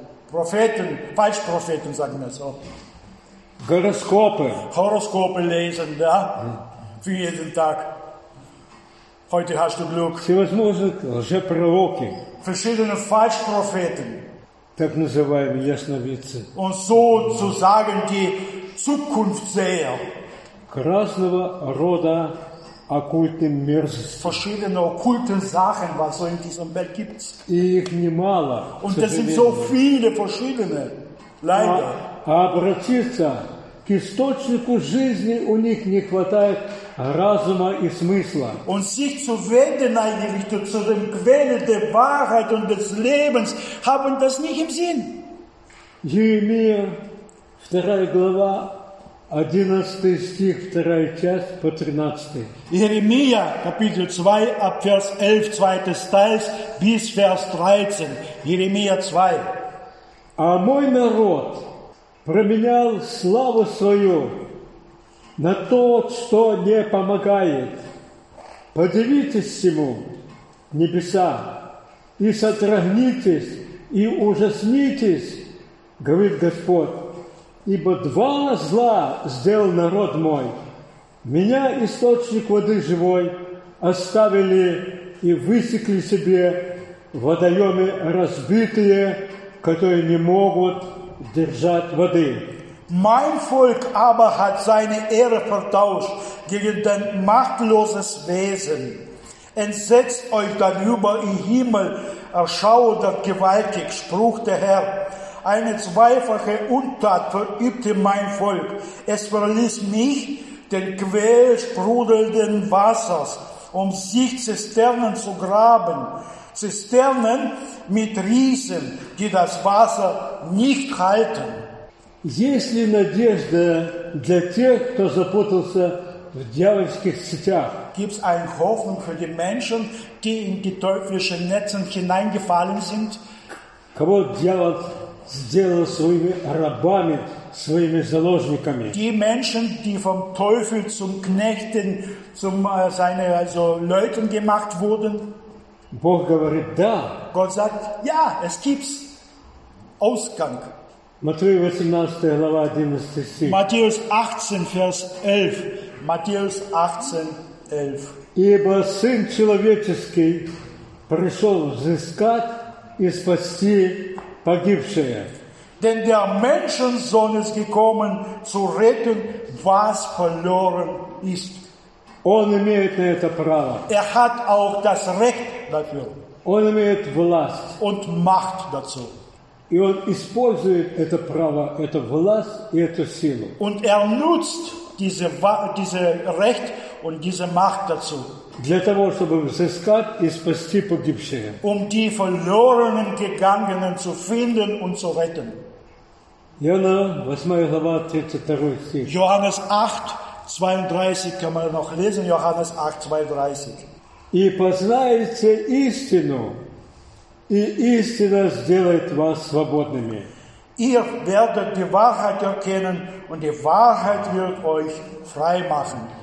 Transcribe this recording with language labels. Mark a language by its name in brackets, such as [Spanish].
[German] Propheten, falsche Propheten, sagen wir so. Horoskope. Horoskope lesen, ja, für jeden Tag. Heute hast du Glück. Verschiedene Falschpropheten. [Russian] Так называемые ясновидцы. [German] Und so zu sagen die Zukunftsseher. [Russian] Красного рода оккультным мерзостям. [German] Verschiedene okkulte Sachen, was so in diesem Welt gibt. [Russian] И их немало. [German] Und das sind so viele verschiedene. Leider. [Russian] А обратиться к источнику жизни у них не хватает разума и смысла. [German] Und sich zu wenden eigentlich zu dem Quelle der Wahrheit und des Lebens haben das nicht im Sinn. [Russian] Иеремия, 2 глава, 11 стих, 2 часть по 13. [German] Иеремия, Kapitel 2, ab Vers 11, 2. Teils, bis Vers 13. Иеремия 2. [Russian] А мой народ променял славу свою на то, что не помогает. Подивитесь сему, небеса, и содрогнитесь, и ужаснитесь, говорит Господь, ибо два зла сделал народ мой. Меня, источник воды живой, оставили и высекли себе водоемы разбитые, которые не могут держать воды. [German] Mein Volk aber hat seine Ehre vertauscht gegen ein machtloses Wesen. Entsetzt euch darüber im Himmel, erschaudert gewaltig, spruch der Herr. Eine zweifache Untat verübte mein Volk. Es verließ mich, den Quell sprudelnden Wassers, um sich Zisternen zu graben. Zisternen mit Riesen, die das Wasser nicht halten. [Russian] Есть ли надежда для тех, кто запутался в дьявольских сетях? [German] Gibt es eine Hoffnung für die Menschen, die in die teuflischen Netzen hineingefallen sind? [Russian] Кого дьявол сделал своими рабами, своими заложниками? [German] Die Menschen, die vom Teufel zum Knechten, zum seine also Leuten gemacht wurden? [Russian] Бог говорит да. [German] Gott sagt ja, es gibt Ausgang. [Russian] Матфея 18, глава 11 стих. [German] Матфея 18, vers 11. [Russian] Матфея 18, 11. Ибо Сын Человеческий пришел взыскать и спасти погибшее. [German] Denn der Menschensohn ist gekommen zu retten, was verloren ist. [Russian] Он имеет на это право. [German] Er hat auch das Recht dafür. [Russian] Он имеет власть. [German] Und Macht dazu. [Russian] И он использует это право, эту власть и эту силу. [German] Und nutzt diese Recht und diese Macht dazu. [Russian] Для того, чтобы взыскать и спасти погибшие. [German] Die verlorenen Gegangenen zu finden und zu retten. [Russian] Иоанна, 8 глава, 32 стих. [German] Johannes 8, 32 kann man noch lesen. Johannes 8, 32. [Russian] И познаете истину, и истина сделает вас свободными. [German] Ihr werdet die Wahrheit erkennen und die Wahrheit wird euch frei machen.